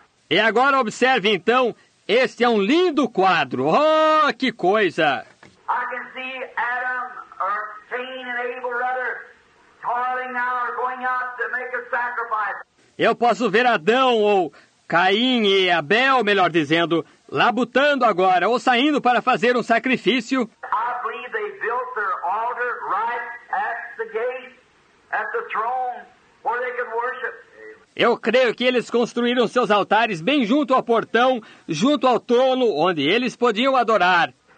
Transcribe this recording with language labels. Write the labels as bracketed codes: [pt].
[pt] E agora observe então, este é um lindo quadro. Oh, que coisa! [en] I can see Adam, or Cain and Abel rather, toiling now or going out to make a sacrifice. [pt] Eu posso ver Adão ou Caim e Abel, melhor dizendo, labutando agora ou saindo para fazer um sacrifício. [en] I believe they built their altar right at the gate, at the throne, where they could worship. [pt] Eu creio que eles construíram seus altares bem junto ao portão, junto ao trono, onde eles podiam adorar.